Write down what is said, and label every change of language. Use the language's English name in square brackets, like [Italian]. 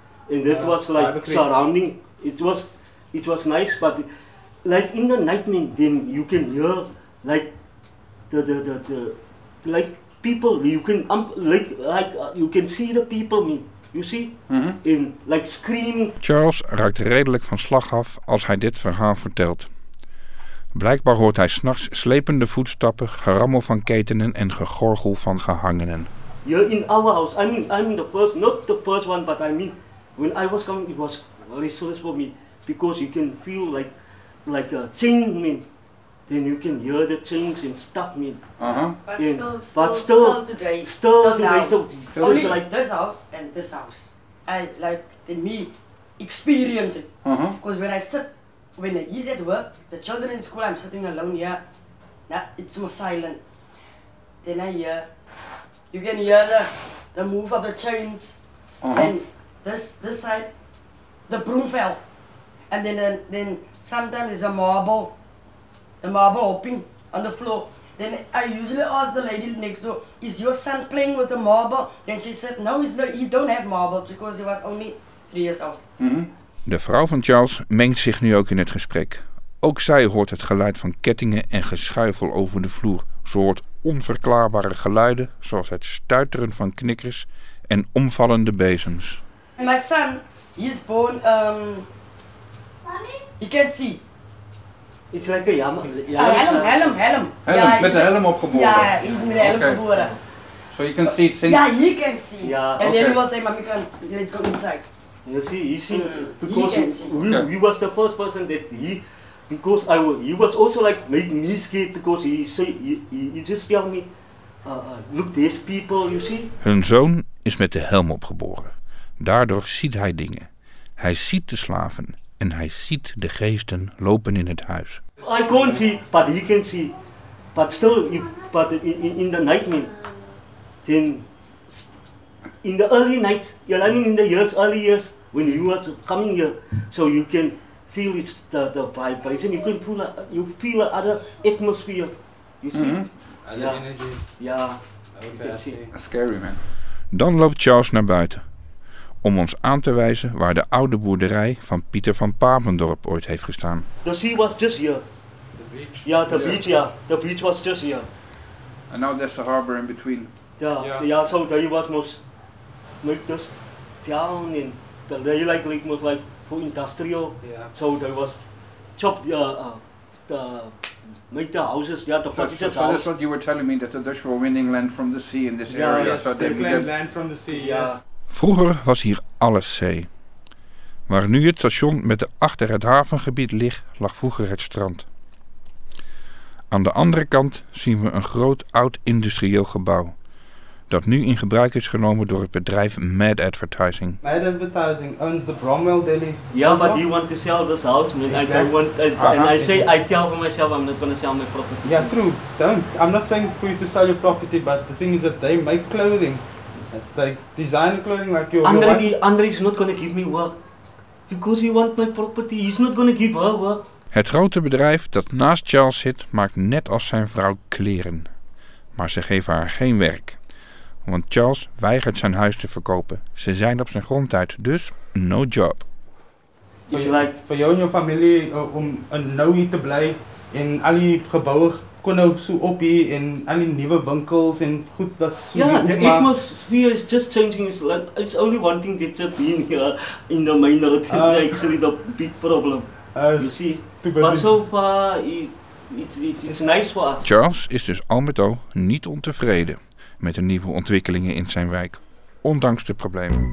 [English] And that was like surrounding. It was nice, but like in the nightmare, then you can hear like the like people. You can you can see the people. You see? Mm-hmm. In like screaming. [Dutch] Charles raakt redelijk van slag af als hij dit verhaal vertelt. Blijkbaar hoort hij 's nachts slepende voetstappen, gerammel van ketenen en gegorgel van gehangenen. [English] Here in our house, I mean the first, not the first one, but I mean when I was coming, it was restless for me because you can feel like a chain, man. Then you can hear the chains and stuff, man. Uh-huh. And, but still today, just like this house and this house, I like the me experience it. Because when I sit, when he's at work, the children in school, I'm sitting alone here. Now it's more silent. Then I hear, you can hear the move of the chains. Uh-huh. And this side, the broom fell. And then sometimes it's a marble hopping on the floor. Then I usually ask the lady next door, is your son playing with the marble? Then she said, no, he don't have marbles because he was only 3 years old. Mm-hmm. [Dutch] De vrouw van Charles mengt zich nu ook in het gesprek. Ook zij hoort het geluid van kettingen en geschuifel over de vloer. Ze hoort onverklaarbare geluiden, zoals het stuiteren van knikkers en omvallende bezems. [English] My son, he is born, he can see. It's like a helm. Helm. [Dutch] Helm, [English] yeah, [Dutch] met de helm opgeboren. Ja, hij is met de helm geboren. [English] So you can see it since? Ja, yeah, he can see. Yeah. And okay. Then he will say, mommy, come, let's go inside. You see, he seen, because he was the first person that he was also like made me scared because he just tell me, look, there's people, you see. [Dutch] Hun zoon is met de helm opgeboren. Daardoor ziet hij dingen. Hij ziet de slaven en hij ziet de geesten lopen in het huis. [English] I can't see, but he can see. But still, in the nightmare, then in the early night, I mean in the years, early years, when you was coming here, so you can feel it's the vibration, you can feel a other atmosphere, you see? Mm-hmm. Yeah. Energy. Yeah, okay, you can see. That's scary, man. [Dutch] Dan loopt Charles naar buiten, om ons aan te wijzen waar de oude boerderij van Pieter van Papendorp ooit heeft gestaan. [English] The sea was just here. The beach? Yeah, beach, yeah. The beach was just here. And now there's the harbor in between. Yeah, so there was most like this town and the day like was like for industrial. Yeah. So there was chopped the make the houses. Yeah, the so house. That's what you were telling me, that the Dutch were winning land from the sea in this area. Yes, so they claimed land from the sea. Yeah. Yes. [Dutch] Vroeger was hier alles zee. Waar nu het station met de achter het havengebied ligt, lag vroeger het strand. Aan de andere kant zien we een groot oud industrieel gebouw, dat nu in gebruik is genomen door het bedrijf Mad Advertising. [English] Mad Advertising owns the Bromwell Deli. Yeah, but he want to sell this house, man. Exactly. I don't want. I tell for myself, I'm not gonna sell my property. Yeah, true. Don't. I'm not saying for you to sell your property, but the thing is that they make clothing. Like design clothing like your Andre, wife. Andre is not gonna give me work. Because he wants my property. He's not gonna give her work. [Dutch] Het grote bedrijf dat naast Charles zit maakt net als zijn vrouw kleren. Maar ze geven haar geen werk. Want Charles weigert zijn huis te verkopen. Ze zijn op zijn grond uit, dus [English] no job. [Dutch] Is like voor jou en je familie om een nooie te blijven in al die gebouwen. Kunnen ook zo op hier en al die nieuwe winkels en goed dat zo. Ja, de [English] atmosphere is just changing. It's, like, it's only one thing that's been here in the minority. Actually the big problem. You see. Too busy. But so far it's nice for us. [Dutch] Charles is dus al met al niet ontevreden met de nieuwe ontwikkelingen in zijn wijk, ondanks de problemen.